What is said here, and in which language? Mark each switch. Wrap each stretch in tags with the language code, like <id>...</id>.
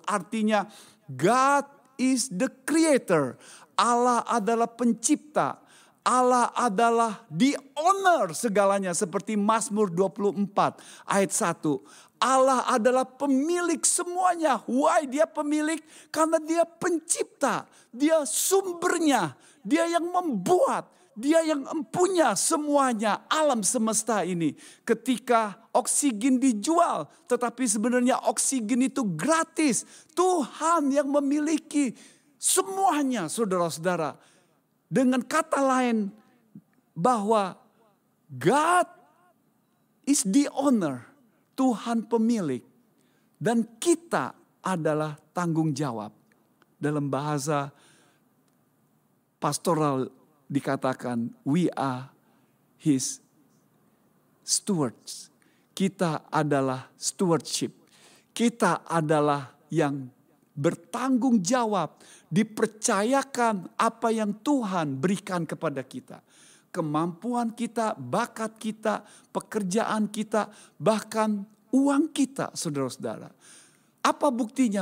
<id>Artinya</id> <en>God is the creator.</en> <id>Allah adalah pencipta. Allah adalah</id> <en>the owner</en> <id>segalanya. Seperti Mazmur 24 ayat 1. Allah adalah pemilik semuanya.</id> <en>Why</en> <id>dia pemilik? Karena dia pencipta. Dia sumbernya. Dia yang membuat. Dia yang empunya semuanya. Alam semesta ini. Ketika oksigen dijual. Tetapi sebenarnya oksigen itu gratis. Tuhan yang memiliki semuanya, saudara-saudara. Dengan kata lain, bahwa</id> <en>God is the owner,</en> <id>Tuhan pemilik, dan kita adalah tanggung jawab. Dalam bahasa pastoral dikatakan,</id> <en>we are his stewards.</en> <id>Kita adalah stewardship. Kita adalah yang bertanggung jawab, dipercayakan apa yang Tuhan berikan kepada kita. Kemampuan kita, bakat kita, pekerjaan kita, bahkan uang kita, saudara-saudara. Apa buktinya?</id>